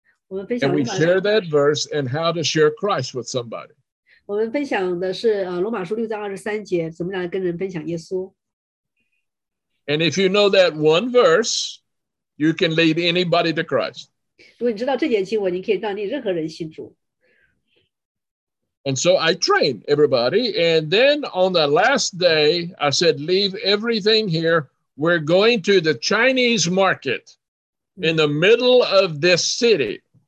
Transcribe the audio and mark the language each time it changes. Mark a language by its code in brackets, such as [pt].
[en] And we share that verse and how to share Christ with somebody. [zh] 我们分享的是罗马书6:23，怎么样跟人分享耶稣。 [en] And if you know that one verse, you can lead anybody to Christ. [zh] 如果你知道这节经文，你可以让任何人信主。 [en] And so I trained everybody. And then on the last day, I said, leave everything here. We're going to the Chinese market in the middle of this city.